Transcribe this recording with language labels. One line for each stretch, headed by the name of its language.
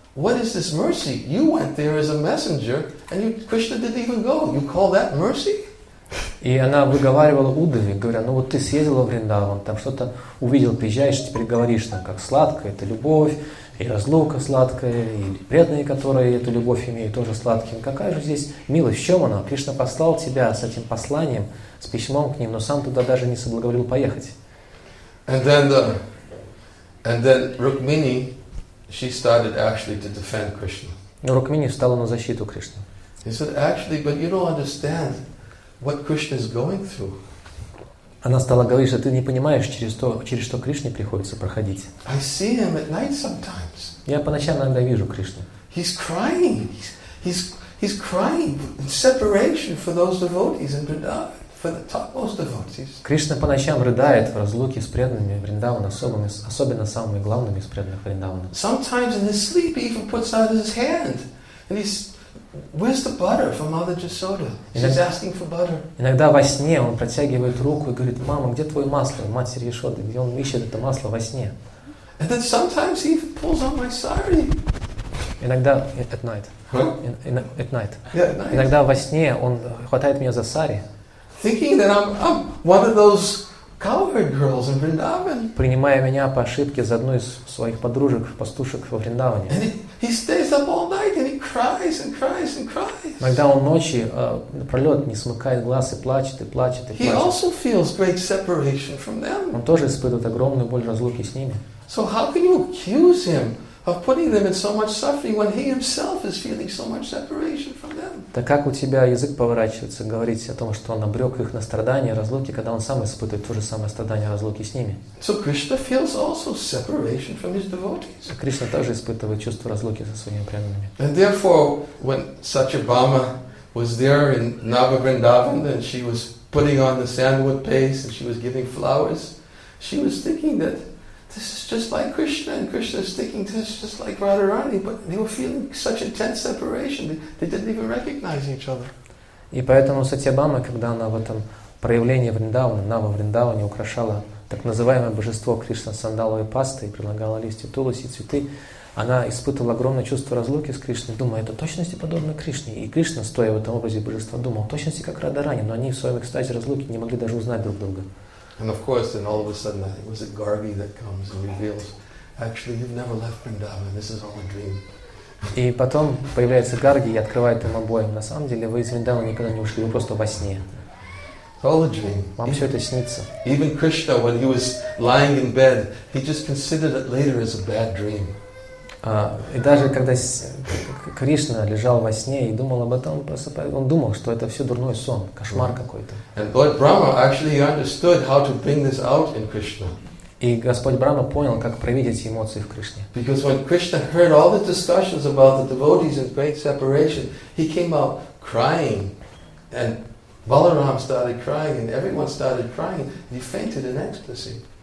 English: What is this mercy? You went there as a messenger, and you, Krishna didn't even go. You call that mercy?"
Russian: И она выговаривала Удаве, говоря: "Ну вот ты съездила в Вриндаван, там что-то увидел, приезжаешь, теперь говоришь нам, как сладко это любовь, и разлука сладкая, и преданные, которые эту любовь имеют, тоже сладкие. Какая же здесь милость? В чем она? Кришна послал тебя с этим посланием, с письмом к ним, но сам туда даже не соблаговолил поехать."
English: And then Rukmini, she started actually to defend Krishna.
Russian: Но Рукмини встала на защиту Кришны.
English: She said, "Actually, but you don't understand what Krishna is going through."
Russian: Она стала говорить, что ты не понимаешь, через что Кришне приходится проходить.
English: "I see him at night sometimes."
Russian: Я по ночам иногда вижу Кришну.
English: "He's crying. He's crying in separation for those devotees in Vrindavan. For the topmost devotees."
Russian: Кришна по ночам рыдает в разлуке с преданными Вриндавана, особенно самыми главными из преданных Вриндавана.
English: "Sometimes in his sleep he even puts out his hand and he's, 'Where's the butter for Mother Jasoda?' She's asking for butter."
Russian: Иногда во сне он протягивает руку и говорит: "Мама, где твое масло, матери Яшоды?" И он ищет это масло во сне.
English: "And then sometimes he even pulls out my sari."
Russian: Иногда
English: at night. Huh? At night. Yeah, at night.
Russian: Иногда во сне он хватает меня за сари.
English: "Thinking that I'm one of those cowherd girls in Vrindavan."
Russian: Принимая меня по ошибке за одну из своих подружек, пастушек во Вриндаване.
English: "And he stays up all night and he cries and cries and cries."
Russian: Иногда он ночи напролет не смыкает глаз и плачет, и плачет, и плачет.
English: "He also feels great separation from them."
Russian: Он тоже испытывает огромную боль разлуки с ними.
English: "So how can you accuse him of putting them in so much suffering when he himself is feeling so much separation from them?"
Russian: Так как у тебя язык поворачивается говорить о том, что он обрек их на страдания, разлуки, когда он сам испытывает то же самое страдание, разлуки с ними?
English: So Krishna feels also separation from his devotees.
Russian: Кришна также испытывает чувство разлуки со своими преданными.
English: And therefore, when Satyabhama was there in Nava Vrindavan, and she was putting on the sandalwood paste and she was giving flowers, she was thinking that this is just like Krishna, and Krishna is thinking this is just like Radharani, but they were feeling such intense separation, they didn't even recognize each other.
Russian: И поэтому Сатьябама, когда она в этом проявлении Вриндавана, Нава Вриндаване, украшала так называемое божество Кришна сандаловой пастой, предлагала листья тулоси и цветы, она испытывала огромное чувство разлуки с Кришной, думая, это точности подобно Кришне. И Кришна, стоя в этом образе божества, думал, точности как Радарани, но они в своем экстазе разлуки не могли даже узнать друг друга.
English: And of course, then all of a sudden, it was a Gargi that comes and reveals, "Actually, you've never left Vrindavan. This is all a dream."
Russian: И потом появляется Гарги и открывает им обоим: "На самом деле, вы из Вриндавана никогда не ушли, вы просто во сне."
English: "All a dream.
Russian: Вам все это снится."
English: Even Krishna, when he was lying in bed, he just considered it later as a bad dream.
Russian: И даже когда Кришна лежал во сне и думал об этом, он думал, что это все дурной сон, кошмар какой-то.
English: And Lord Brahma actually understood how to bring this out in Krishna.
Russian: И Господь Брама понял, как проявить эти эмоции в Кришне.
English: Because when Krishna heard all the discussions about the devotees and great separation, he came out crying and Balaram started crying and everyone started crying and he fainted in ecstasy.